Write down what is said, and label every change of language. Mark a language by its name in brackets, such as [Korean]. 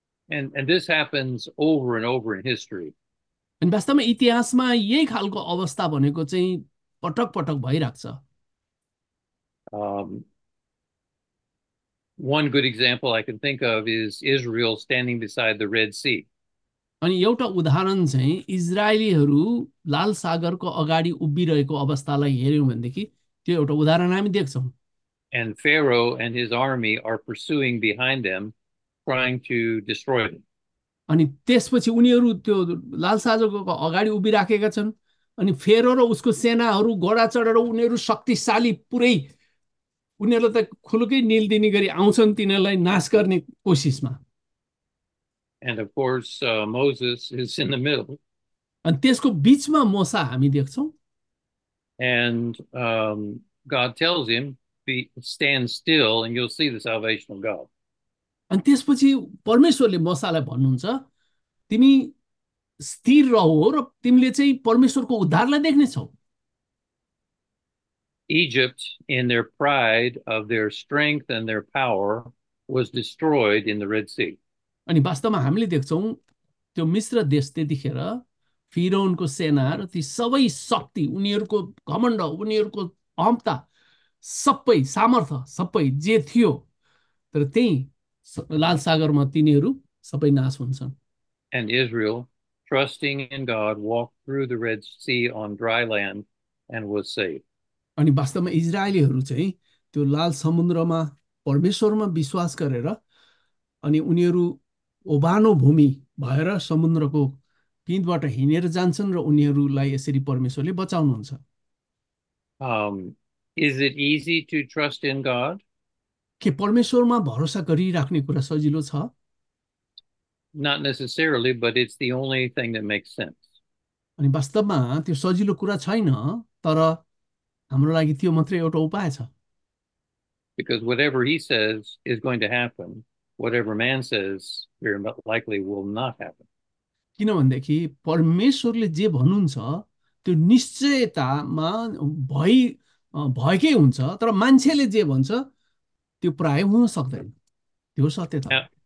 [English] And this happens over and over in history. [Nepali] अनि वास्तवमा इतिहासमा यही खालको अवस्था भनेको चाहिँ पटक पटक भइराख्छ। [English] One good example I can think of is Israel standing beside the Red Sea. [Nepali] अनि एउटा उदाहरण चाहिँ इजरायलीहरू लाल सागरको अगाडि उभिरहेको अवस्थालाई हेऱ्यौँ भनेदेखि त्यो एउटा उदाहरण हामी देख्छौँ। [English] And Pharaoh and his army are pursuing behind them, trying to destroy them. [Nepali] अनि त्यसपछि उनीहरू त्यो लाल सागरको अगाडि उभिराखेका छन्, अनि फेरो र उसको सेनाहरू घोडा चढेर उनीहरू शक्तिशाली, पुरै उनीहरूलाई त खुलुकै निल दिने गरी आउँछन् तिनीहरूलाई नाश गर्ने कोसिसमा। [English] And of course, Moses is in the middle. [Nepali] अनि त्यसको बिचमा मोसा हामी देख्छौँ। [English] And God tells him, "Be stand still, and you'll see the salvation of God." [Nepali] अनि त्यसपछि परमेश्वरले मोसालाई भन्नुहुन्छ, तिमी स्थिर रहो र तिमीले चाहिँ परमेश्वरको उद्धारलाई देख्नेछौ। [English] Egypt, in their pride of their strength and their power, was destroyed in the Red Sea. [Nepali] अनि वास्तवमा हामीले देख्छौँ त्यो मिस्र देश त्यतिखेर फिरौनको सेना र ती सबै शक्ति, उनीहरूको घमण्ड, उनीहरूको अहम्ता, सबै सामर्थ्य, सबै जे थियो, तर त्यही लाल सागरमा तिनीहरू सबै नाश हुन्छन्। [English] and Israel, trusting in God, walked through the Red Sea on dry land and was saved. [Nepali] अनि वास्तवमा इजरायलीहरू चाहिँ त्यो लाल समुद्रमा परमेश्वरमा विश्वास गरेर अनि उनीहरू ओभानो भूमि भएर समुद्रको पिँधबाट हिँडेर जान्छन् र उनीहरूलाई यसरी परमेश्वरले बचाउनुहुन्छ। [English] Is it easy to trust in God? [Nepali] के परमेश्वरमा भरोसा गरिराख्ने कुरा सजिलो छ? [English] Not necessarily, but it's the only thing that makes sense. [Nepali] अनि वास्तवमा त्यो सजिलो कुरा छैन, तर हाम्रो लागि त्यो मात्रै एउटा उपाय छ। [English] Because whatever he says is going to happen, whatever man says very likely will not happen. [Nepali] किनभनेदेखि परमेश्वरले जे भन्नुहुन्छ त्यो निश्चयतामा भई भएकै हुन्छ, तर मान्छेले जे भन्छ त्यो प्राय हुन सक्दैन, त्यो सत्यता हो।